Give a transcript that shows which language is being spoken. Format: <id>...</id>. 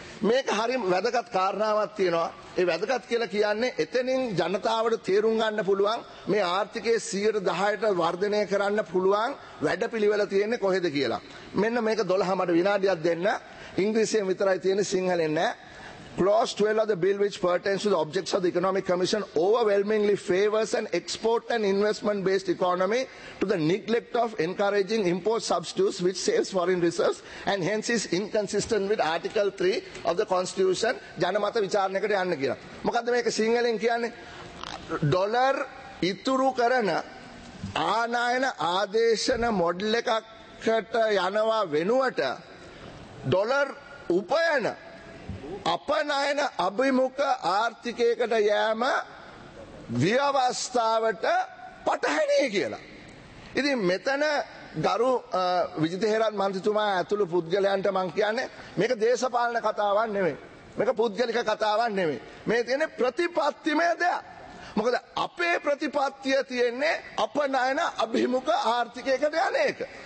<si>මේක හරිම වැදගත් කාරණාවක් තියෙනවා. ඒ වැදගත් කියලා කියන්නේ එතනින් ජනතාවට තේරුම් ගන්න පුළුවන් මේ ආර්ථිකයේ 10%ට වර්ධනය කරන්න පුළුවන් වැඩපිළිවෙල තියෙන්නේ කොහෙද කියලා. මෙන්න මේක 12 විනාඩියක් දෙන්න. ඉංග්‍රීසියෙන් විතරයි තියෙන්නේ සිංහලෙන් නෑ.</si> <en>Clause 12 of the bill, which pertains to the objects of the Economic Commission, overwhelmingly favors an export and investment based economy to the neglect of encouraging import substitutes which saves foreign reserves and hence is inconsistent with Article 3 of the Constitution.</en> <si>Janamata vicharanayakata yanna kiyala. Mokadda meka singhalen kiyanne? Dollar ithuru karana aanayana aadeshana model ekakata yanawa wenuwata dollar upayana අපනයන අභිමුඛ ආර්ථිකයකට යෑම ව්‍යවස්ථාවට පටහැනිය කියලා. ඉතින් මෙතන ගරු විජිත හේරත් මන්ත්‍රීතුමා ඇතුළු පුද්ගලයන්ට මම කියන්නේ මේක දේශපාලන කතාවක් නෙමෙයි. මේක පුද්ගලික කතාවක් නෙමෙයි. මේ තියෙන්නේ ප්‍රතිපත්තිමය දෙයක්. මොකද අපේ ප්‍රතිපත්තිය තියෙන්නේ අපනයන අභිමුඛ ආර්ථිකයකට යන එක.</si>